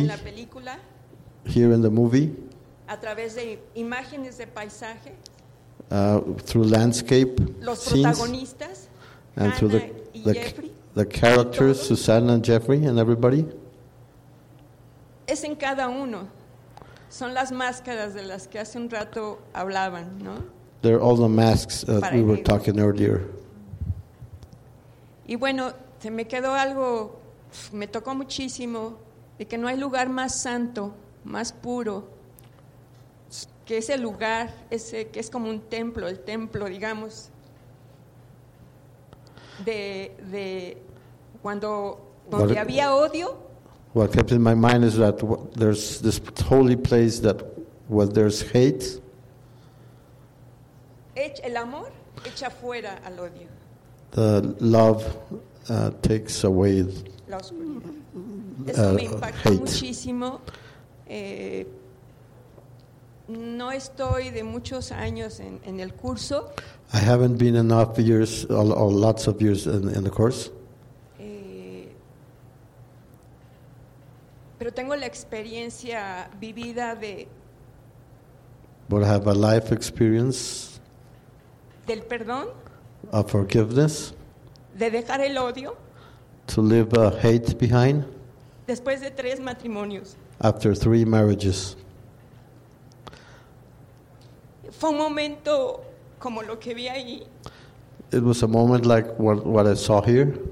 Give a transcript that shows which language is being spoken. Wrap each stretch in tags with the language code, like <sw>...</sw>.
<es>En la película.</es> <en>Here in the movie.</en> <es>A través de imágenes de paisaje.</es> <en>Through landscape.</en> <es>Los</es> <en>scenes,</en> <es>protagonistas.</es> <en>And Anna through the characters, Susana and Jeffrey and everybody.</en> <es>Es en cada uno. Son las máscaras de las que hace un rato hablaban, ¿no?</es> <en>They're all the masks that we were talking earlier.</en> <es>Y bueno, se me quedó algo, me tocó muchísimo, de que no hay lugar más santo, más puro, que ese lugar, ese que es como un templo, el templo, digamos, de cuando donde había odio.</es> <en>What kept in my mind is that there's this holy place that where there's hate.</en> <es>El amor echa fuera al odio.</es> <en>The love takes away</en> <es>la oscuridad. Eso me impactó muchísimo. No estoy de muchos años en el curso.</es> <en>I haven't been enough years or lots of years in the course.</en> <es>Pero tengo la experiencia vivida de.</es> <en>But I have a life experience.</en> <es>Del perdón.</es> <en>Of forgiveness.</en> <es>De dejar el odio.</es> <en>To leave hate behind.</en> <es>Después de tres matrimonios.</es> <en>After three marriages.</en> <es>Fue un momento como lo que vi ahí.</es> <en>It was a moment like what I saw here.</en>